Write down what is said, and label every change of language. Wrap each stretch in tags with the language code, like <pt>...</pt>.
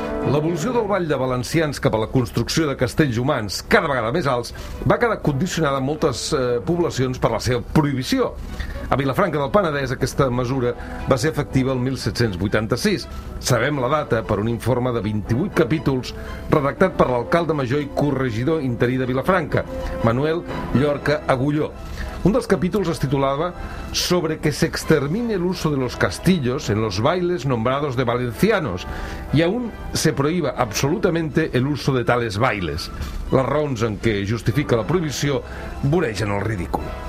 <ca>L'evolució del Vall de Valencians cap a la construcció de castells humans cada vegada més alts va quedar condicionada a moltes poblacions per la seva prohibició. A Vilafranca del Penedès aquesta mesura va ser efectiva el 1786. Sabem la data per un informe de 28 capítols redactat per l'alcalde major i corregidor interí de Vilafranca, Manuel Llorca Agulló. Un dels capítols es titulava</ca> <es>«Sobre que se extermine el uso de los castillos en los bailes nombrados de valencianos y aún se prohíba absolutamente el uso de tales bailes».</es> <ca>Les raons en què justifica la prohibició voregen el ridícul.</ca>